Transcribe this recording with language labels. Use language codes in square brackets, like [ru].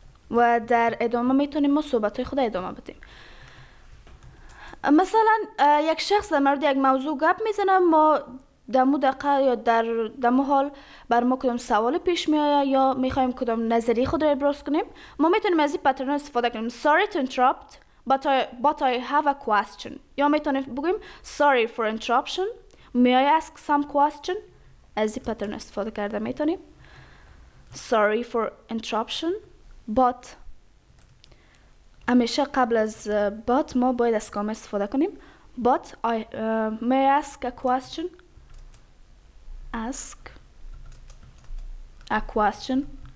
[fa] و در ادامه میتونیم ما صحبت خود ادامه بدیم. مثلا یک شخص در مورد یک موضوع گپ میزنه، ما دمو دقیقه یا در دمو حال بر ما کدام سوال پیش می آید یا می خواهیم کدام نظری خود را ابراز کنیم، ما می تونیم از این پترن استفاده کنیم. [en] sorry to interrupt but I have a question. [fa] یا می تونیم بگویم [en] sorry for interruption, may I ask some question. [fa] از این پترن استفاده کرده می تونیم [en] sorry for interruption but [fa] همیشه قبل از but ما باید از کامه استفاده کنیم. [en] but may I ask a question. Ask a question.